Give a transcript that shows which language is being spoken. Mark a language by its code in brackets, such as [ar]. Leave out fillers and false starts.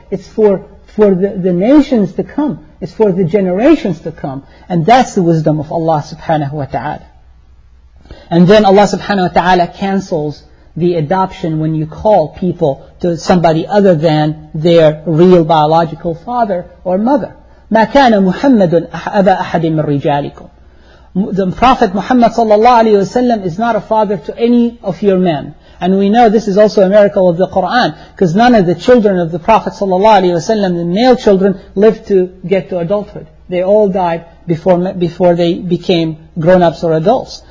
[en] It's for the nations to come. It's for the generations to come. And that's the wisdom of Allah subhanahu wa ta'ala. And then Allah subhanahu wa ta'ala cancels the adoption when you call people to somebody other than their real biological father or mother. [ar] مَا كَانَ مُحَمَّدٌ أَبَا أَحَدٍ مِنْ رِجَالِكُمْ. [en] The Prophet Muhammad sallallahu alayhi wa sallam is not a father to any of your men. And we know this is also a miracle of the Quran, because none of the children of the Prophet sallallahu alayhi wa sallam, the male children, lived to get to adulthood. They all died before they became grown-ups or adults.